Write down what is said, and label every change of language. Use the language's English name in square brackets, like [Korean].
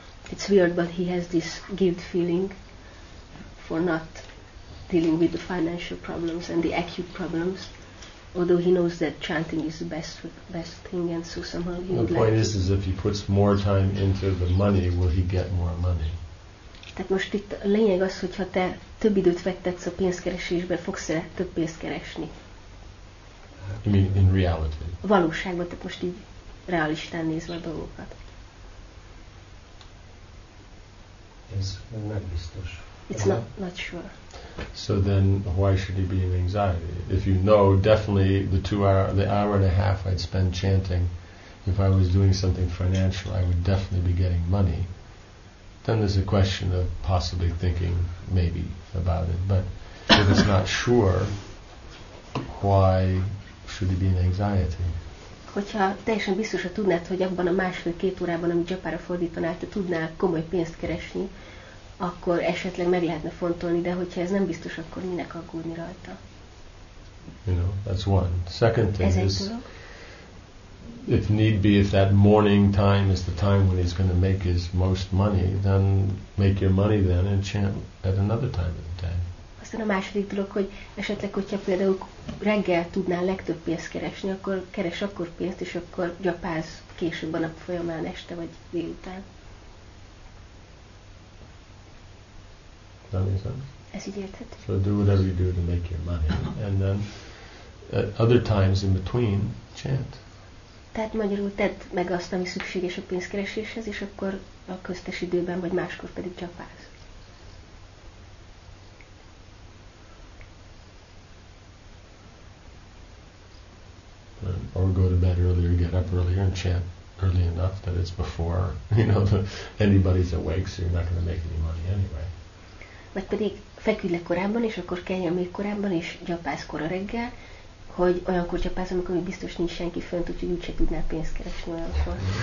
[English] it's weird, but he has this guilt feeling for not dealing with the financial problems and the acute problems, although he knows that chanting is the best thing, and so somehow he would like... The point is if he puts more time into the money, will he get more money? [Hungarian] Tehát most itt a lényeg az, hogyha te több időt fektetsz a pénzkeresésbe, fogsz-e több pénzt keresni? [English] You mean in reality? [Hungarian] A valóságban, tehát most így realistán nézve a dolgokat. Ez nem biztos. [English] It's not sure. So then why should he be in anxiety? If you know definitely the hour and a half I'd spend chanting, if I was doing something financial, I would definitely be getting money. Then there's a question of possibly thinking maybe about it. But if it's not sure, why should he be in anxiety? [Hungarian] Hogyha teljesen biztos, hogy tudnád, hogy abban a másfél-két órában, amit japára fordítanál, te tudnál komoly pénzt keresni, akkor esetleg meg lehetne fontolni, de hogyha ez nem biztos, akkor minek aggódni rajta? [English] You know, that's one. Second thing is, [Hungarian] dolog. [English] If need be, if that morning time is the time when he's going to make his most money, then make your money then and chant at another time of the day. [Hungarian] Aztán a második dolog, hogy esetleg, hogyha például reggel tudnál legtöbb pénzt keresni, akkor keres akkor pénzt, és akkor gyapáz később a nap folyamán, este vagy délután. [English] So do whatever you do to make your money, and then at other times in between, chant. [Hungarian] Tehát magyarul tedd meg azt, ami szükséges a pénzkereséshez, és akkor a köztes időben vagy máskor pedig japálsz. [English] Or go to bed earlier, get up earlier, and chant early enough that it's before, you know, anybody's awake, so you're not going to make any money anyway. [Hungarian] Vagy pedig feküdj le korábban, és akkor kelljen még korábban, és gyapász kora reggel, hogy olyankor gyapász, amikor még biztos nincs senki fönt, úgyhogy úgyse tudnál pénzt keresni olyankor.